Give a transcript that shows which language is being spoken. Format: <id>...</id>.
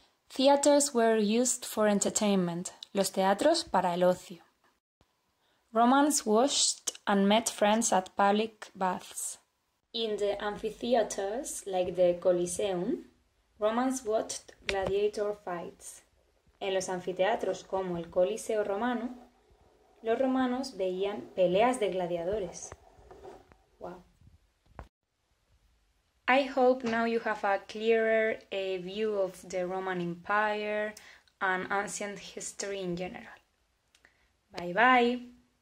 <en>Theaters were used for entertainment,</en> <es>los teatros para el ocio.</es> <en>Romans washed and met friends at public baths. In the amphitheaters, like the Colosseum, Romans watched gladiator fights.</en> <es>En los anfiteatros como el Coliseo Romano, los romanos veían peleas de gladiadores.</es> <en>Wow. I hope now you have a clearer view of the Roman Empire and ancient history in general. Bye bye.</en>